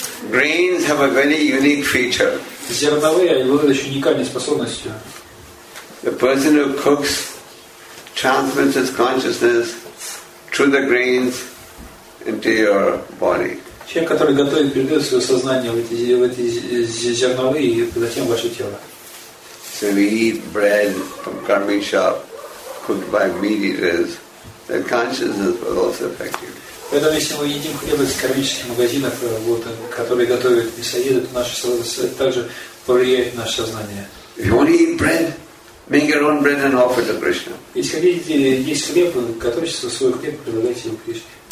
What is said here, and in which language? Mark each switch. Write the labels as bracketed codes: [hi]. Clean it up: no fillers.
[en] Grains have a very unique feature. [ru] Зерновые обладают уникальной способностью. [en] The person who cooks transmits his consciousness through the grains into your body. [ru] Человек, который готовит, передает свое сознание в эти зерновые и затем в ваше тело. [en] So we eat bread from karmic shop cooked by meat eaters, then consciousness was also affected. [ru] Поэтому если мы едим хлеб из кармических магазинов, вот, которые готовят мясоеды, то наше сознание также повлияет на наше сознание. [en] If you want to eat bread, make your own bread and offer to Krishna. [ru] Если хотите есть хлеб, готовьте свой хлеб и предлагайте его Кришне.